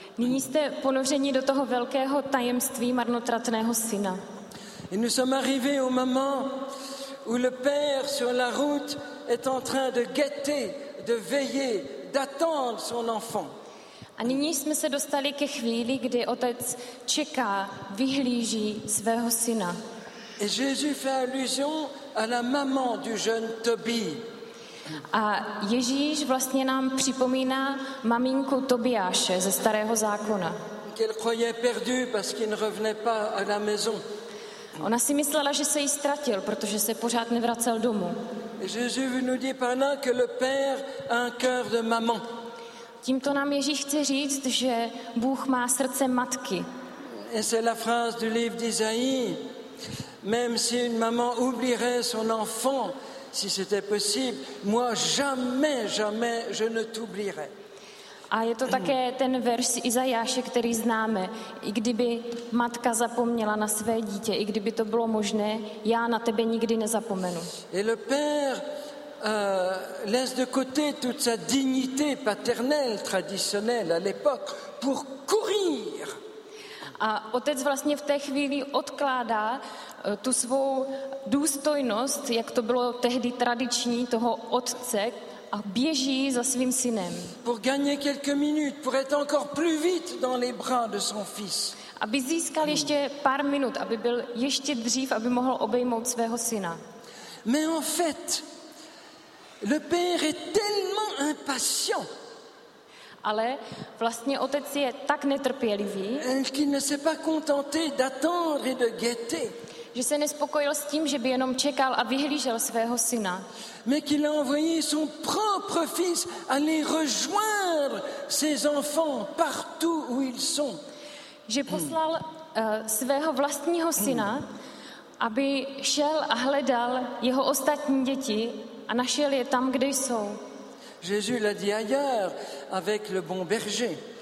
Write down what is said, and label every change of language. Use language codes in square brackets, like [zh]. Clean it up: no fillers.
[cs] Nyní jste ponořeni do toho velkého tajemství marnotratného syna. [fr] Et nous sommes arrivés au moment où le père sur la route est en train de guetter, de veiller, d'attendre son enfant. [cs] A nyní jsme se dostali ke chvíli, kdy otec čeká, vyhlíží svého syna. [fr] Et Jésus fait allusion à la maman du jeune Tobie. [cs] A Ježíš vlastně nám připomíná maminku Tobiáše ze Starého zákona. [fr] Qu'elle croyait perdu parce qu'il ne revenait pas à la maison. [cs] Ona si myslela, že se jí ztratil, protože se pořád nevracel domů. [fr] Jésus nous dit par là que le père a un cœur de maman. [cs] Tímto nám Ježíš chce říct, že Bůh má srdce matky. [fr] Et c'est la phrase du livre d'Isaïe. Même si une maman oublierait son enfant, si c'était possible, moi jamais je ne t'oublierai. [cs] A je to také ten verš Izajáše, který známe. I kdyby matka zapomněla na své dítě, i kdyby to bylo možné, já na tebe nikdy nezapomenu. [fr] Et le père laisse de côté toute sa dignité paternelle traditionnelle à l'époque pour courir. [cs] A otec vlastně v té chvíli odkládá tu svou důstojnost, jak to bylo tehdy tradiční, toho otce, a běží za svým synem. [fr] Pour gagner quelques minutes, pour être encore plus vite dans les bras de son fils. [cs] Aby získal ještě pár minut, aby byl ještě dřív, aby mohl obejmout svého syna. [fr] Mais en fait, le père est tellement impatient. [cs] Ale vlastně otec je tak netrpělivý, [fr] qu'il ne s'est pas contenté d'attendre et de guetter. [cs] Že se nespokojil s tím, že by jenom čekal a vyhlížel svého syna. [fr] Mais qu'il a envoyé son propre fils aller rejoindre ses enfants partout où ils sont. [cs] Že poslal svého vlastního syna, aby šel a hledal jeho ostatní děti a našel je tam, kde jsou. [fr] Jésus l'a dit ailleurs avec le bon berger.